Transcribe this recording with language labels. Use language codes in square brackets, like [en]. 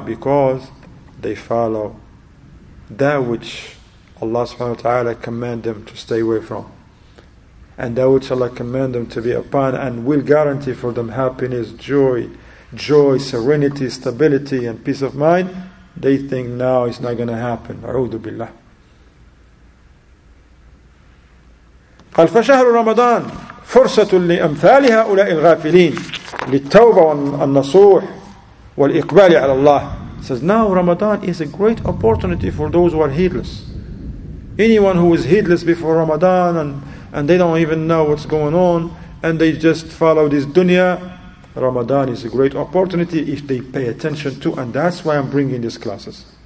[en] Because they follow that which Allah subhanahu wa ta'ala command them to stay away from. And Dawood shall I command them to be upon, and will guarantee for them happiness, joy, serenity, stability, and peace of mind. They think now it's not going to happen. A'udhu billah. [ar] قال فشهر رمضان فرصة لأمثال هؤلاء الغافلين للتوبة والنصوح والإقبال على الله. [en] Says now Ramadan is a great opportunity for those who are heedless. Anyone who is heedless before Ramadan and they don't even know what's going on and they just follow this dunya, Ramadan is a great opportunity if they pay attention to, and that's why I'm bringing these classes.